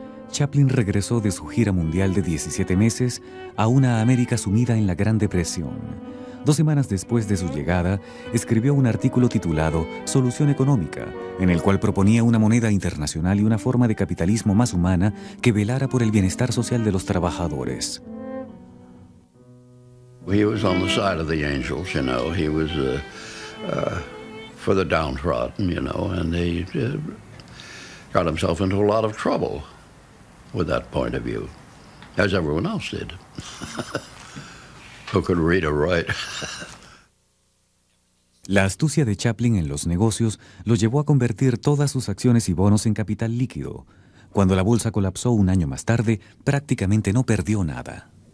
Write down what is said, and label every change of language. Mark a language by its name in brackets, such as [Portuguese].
[Spanish] Chaplin regresó de su gira mundial de 17 meses a una América sumida en la Gran Depresión. Dos semanas después de su llegada, escribió un artículo titulado Solución Económica, en el cual proponía una moneda internacional y una forma de capitalismo más humana que velara por el bienestar social de los trabajadores. [English] He was on the side of the angels, you know. He was for the downtrodden, you know, and he got himself into a lot of trouble with that point of view, as everyone else did. Who could read or write? [Spanish] La astucia de Chaplin en los negocios lo llevó a convertir todas sus acciones y bonos en capital líquido. Cuando la bolsa colapsó un año más tarde, prácticamente no perdió nada.